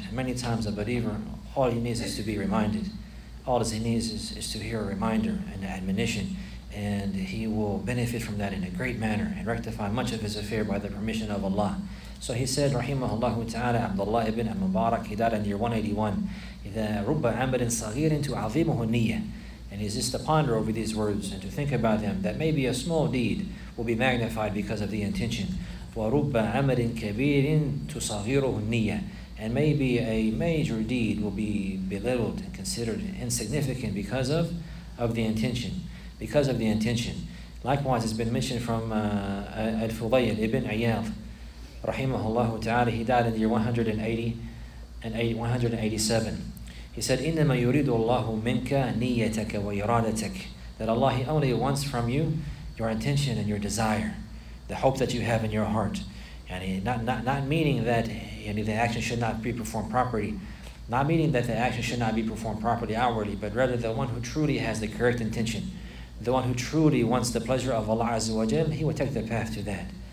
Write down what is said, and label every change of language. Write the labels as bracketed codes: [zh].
[en] And many times a believer, all he needs is to be reminded. All he needs is to hear a reminder and an admonition, and he will benefit from that in a great manner and rectify much of his affair by the permission of Allah. So he said, Rahimahullah ta'ala, Abdullah ibn al-Mubarak, he died in the year 181. [ar] إِذَا رُبَّ عَمَدٍ صَغِيرٍ تُعَظِيمُهُ النِّيَّةِ. [en] And he is just to ponder over these words and to think about them, that maybe a small deed will be magnified because of the intention. [ar] وَرُبَّ عَمَدٍ كَبِيرٍ تُصَغِيرُهُ النِّيَّةِ. [en] And maybe a major deed will be belittled and considered insignificant because of the intention. Because of the intention. Likewise, it's been mentioned from Al-Fudayl ibn Iyadh, Rahimahullah ta'ala, he died in the year 187. He said, [ar] إِنَّمَا يُرِيدُ اللَّهُ مِنْكَ نِيَّتَكَ وَإِرَادَتَكَ. [en] That Allah, he only wants from you your intention and your desire, the hope that you have in your heart. And not meaning that the action should not be performed properly. Not meaning that the action should not be performed properly outwardly, but rather the one who truly has the correct intention, the one who truly wants the pleasure of Allah Azza wa Jal, he will take the path to that.